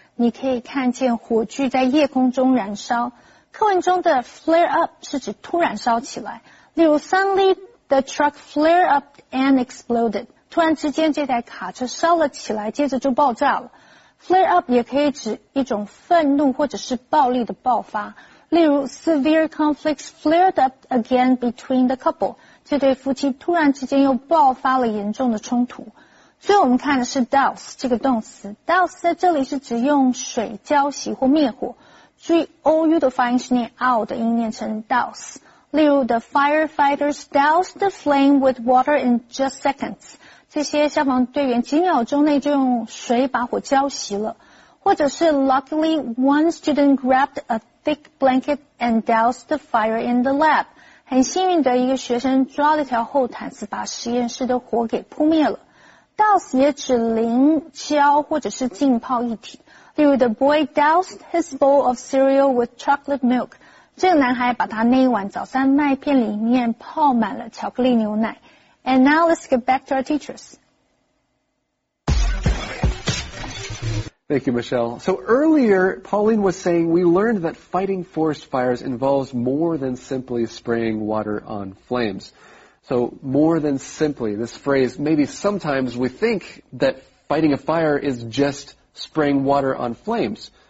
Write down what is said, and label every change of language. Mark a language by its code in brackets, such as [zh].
[zh] 你可以看见火炬在夜空中燃烧。课文中的 flare up 是指突然烧起来。例如 [en] suddenly the truck flared up and exploded. [zh] 突然之间这台卡车烧了起来，接着就爆炸了。 Flare up 也可以指一种愤怒或者是暴力的爆发。例如 [en] severe conflicts flared up again between the couple. [zh] 这对夫妻突然之间又爆发了严重的冲突。所以我们看的是 douse 这个动词。Douse 在这里是指用水浇熄或灭火。注意 OU 的发音是念 OU 的音念成 douse。例如 [en] the firefighters doused the flame with water in just seconds. [zh] 这些消防队员几秒钟内就用水把火浇熄了。或者是 [en] luckily one student grabbed a thick blanket and doused the fire in the lab. [zh] 很幸运的一个学生抓了条后毯子把实验室的火给扑灭了。 Douse 也指淋浇或者是浸泡一体。例如 [en] The boy doused his bowl of cereal with chocolate milk. [zh] 这个男孩把他那一碗早餐麦片里面泡满了巧克力牛奶。 [en] And now let's get back to our teachers. Thank you, Michelle. So earlier, Pauline was saying we learned that fighting forest fires involves more than simply spraying water on flames. So more than simply, this phrase, maybe sometimes we think that fighting a fire is just spraying water on flames.